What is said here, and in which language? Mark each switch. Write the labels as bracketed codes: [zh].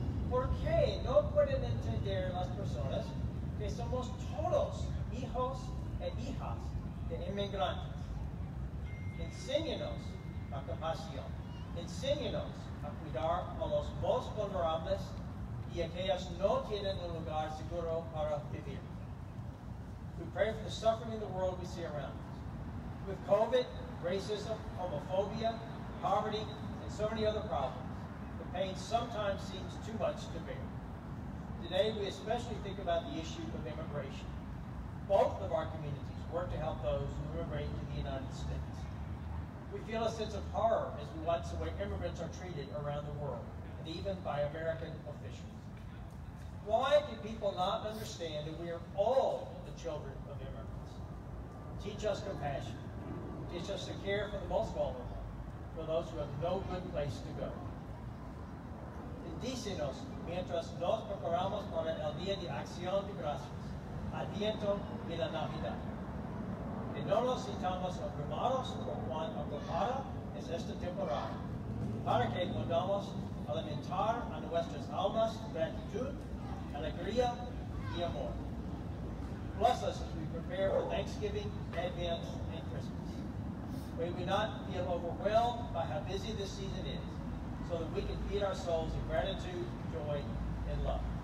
[es] ¿Por qué no pueden entender las personas que somos todos hijos e hijas de inmigrantes? Enséñanos la compasión. Enséñanos a cuidar a los más vulnerables y a aquellos no tienen un lugar seguro para vivir. [en] We pray for the suffering in the world we see around us. With COVID, racism, homophobia, poverty, and so many other problems, the pain sometimes seems too much to bear. Today, we especially think about the issue of immigration. Both of our communities work to help those who immigrate to the United States. We feel a sense of horror as we watch the way immigrants are treated around the world, and even by American officials. Why do people not understand that we are all the children of immigrants? Teach us compassion. Teach us to care for the most vulnerable, for those who have no good place to go. [es] Bendícenos mientras nos preparamos para el Día de Acción de Gracias, Adviento y la Navidad. Que no nos sintamos abrumados por cuán ocupada es esta temporada, para que podamos alimentar a nuestras almas gratitud, alegría y amor. [en] Bless us as we prepare for Thanksgiving, Advent, and Christmas. May we not feel overwhelmed by how busy this season is, so that we can feed our souls in gratitude, joy, and love.